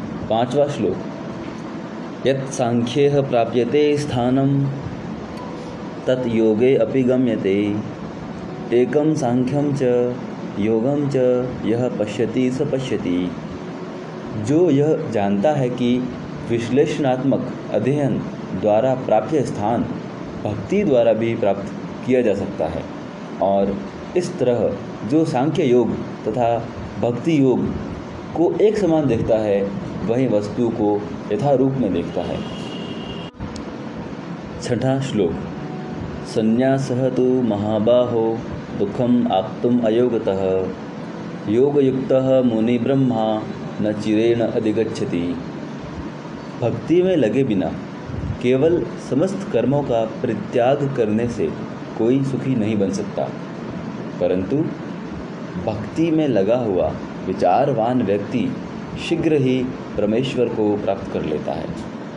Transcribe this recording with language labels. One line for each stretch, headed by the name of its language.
Hindi: पांचवा श्लोक,
Sanskrit: यत् सांख्येह प्राप्यते स्थानम् तत् योगे अपि गम्यते एकम सांख्यम च योगम च यह पश्यति स पश्यति।
Hindi: जो यह जानता है कि विश्लेषणात्मक अध्ययन द्वारा प्राप्य स्थान भक्ति द्वारा भी प्राप्त किया जा सकता है, और इस तरह जो सांख्य योग तथा भक्ति योग को एक समान देखता है, वही वस्तु को यथारूप में देखता है। छठा श्लोक,
Sanskrit: संन्यासः तु महाबाहो दुःखम् आप्तुम् अयोगतः योगयुक्तः मुनि ब्रह्मा न चिरेण अधिगच्छति।
Hindi: भक्ति में लगे बिना केवल समस्त कर्मों का परित्याग करने से कोई सुखी नहीं बन सकता, परंतु भक्ति में लगा हुआ विचारवान व्यक्ति शीघ्र ही परमेश्वर को प्राप्त कर लेता है।